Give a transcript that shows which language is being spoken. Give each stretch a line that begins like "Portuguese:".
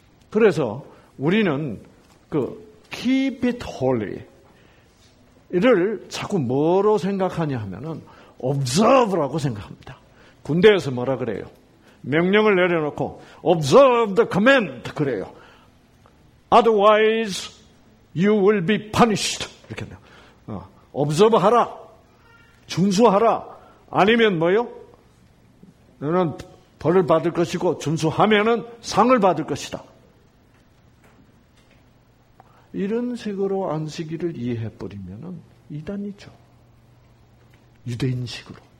Korean: 그래서 우리는 그
English: keep it holy
Korean: 이를 자꾸 뭐로 생각하냐 하면은 observe라고 생각합니다. 군대에서 뭐라 그래요? 명령을 내려놓고
English: observe the command
Korean: 그래요.
English: Otherwise you will be punished
Korean: 이렇게 돼요. Observe하라, 준수하라. 아니면 뭐요? 너는 벌을 받을 것이고 준수하면은 상을 받을 것이다. 이런 식으로 안식일을 이해해 버리면은. 이단이죠. 유대인식으로.